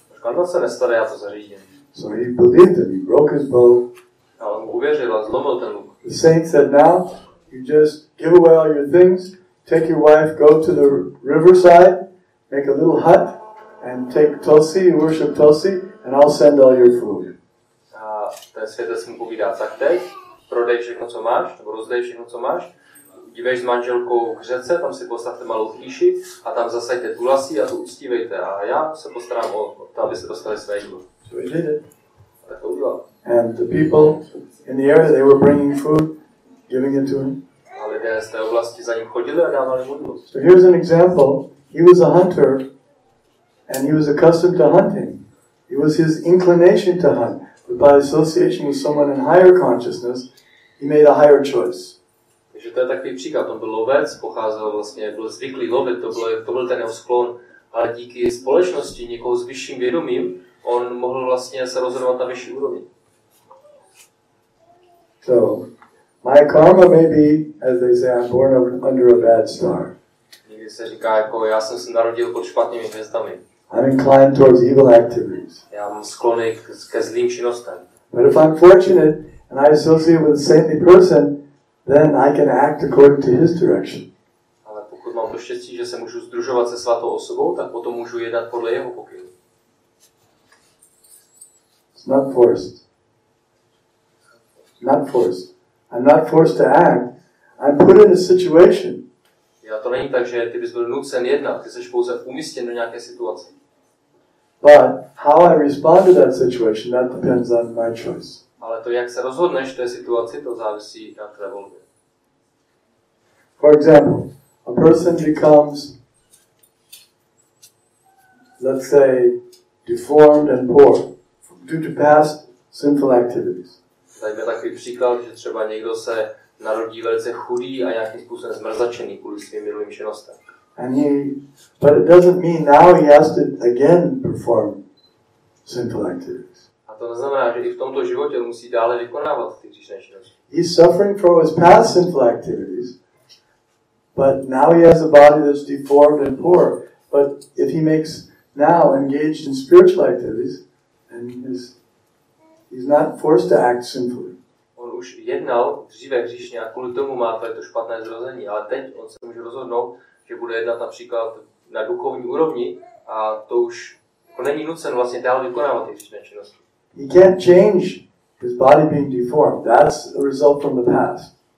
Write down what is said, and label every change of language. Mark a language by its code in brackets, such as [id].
[cs] Říkal, to se nestane, já to zařídím. [en] So he believed him, he broke his bow. [cs] A on mu uvěřil a zlomil ten luk. [en] The saint said, now, you just give away all your things, take your wife, go to the riverside, make a little hut, and take Tulsi, worship Tulsi, and I'll send all your food. [cs] A ten světec mu povídá, tak teď, prodej všechno, co máš, nebo rozdej všechno, co máš, dívej s manželkou k řece, tam si postavte malou kýši a tam zasaďte tulasy a to uctívejte. A já se postarám o to, aby se dostali své jídlo. [en] So he did it. [cs] A tak to udělal. [en] And the people in the area, they were bringing food, giving it to him. [cs] A lidé z té oblasti za ním chodili a dávali mu jídlo. [en] So here's an example. He was a hunter and he was accustomed to hunting. It was his inclination to hunt. But by association with someone in higher consciousness, he made a higher choice. [cs] Že to je takový příklad, on byl lovec, pocházel vlastně, byl zvyklý lovit, to byl ten jeho sklon, ale díky společnosti, někoho s vyšším vědomím, on mohl vlastně se rozhodovat na vyšší úrovni. [en] So, my karma may be, as they say, I'm born under a bad star. [cs] Někdy se říká, jako já jsem se narodil pod špatnými hvězdami. [en] I'm inclined towards evil activities. [cs] Já mám sklony ke zlým činnostem. [en] But if I'm fortunate, and I associate with a saintly person, then I can act according to his direction. [cs] Ale pokud mám to štěstí, že se můžu sdružovat se svatou osobou, tak potom můžu jednat podle jeho pokynů. [en] It's not forced. Not forced. I'm not forced to act. I'm put in a situation. [cs] Já to není tak, že ty bys byl nucen jednat, ty jsi pouze umístěn do nějaké situace. [en] But how I respond to that situation, that depends on my choice. [cs] Ale to, jak se rozhodneš v té situaci, to závisí na tvé volbě. [en] For example, a person becomes, let's say, deformed and poor due to past sinful activities. [cs] Dajme takový příklad, že třeba někdo se narodí velice chudý a nějakým způsobem zmrzačený kvůli svým minulým činnostem. [en] And he, but it doesn't mean now he has to again perform sinful activities. [cs] A to neznamená, že i v tomto životě musí dále vykonávat ty hříšné činnosti. [en] He's suffering from his past sinful activities, but now he has a body that's deformed and poor. But if he makes now engaged in spiritual activities, then he's not forced to act sinfully. [cs] On už jednal dříve hříšně a kvůli tomu má to špatné zrození, ale teď on se může rozhodnout, že bude jednat například na duchovní úrovni a to už není nucen vlastně dál vykonávat ty hříšné činnosti. [en] He can't change his body being deformed. That's a result from the past.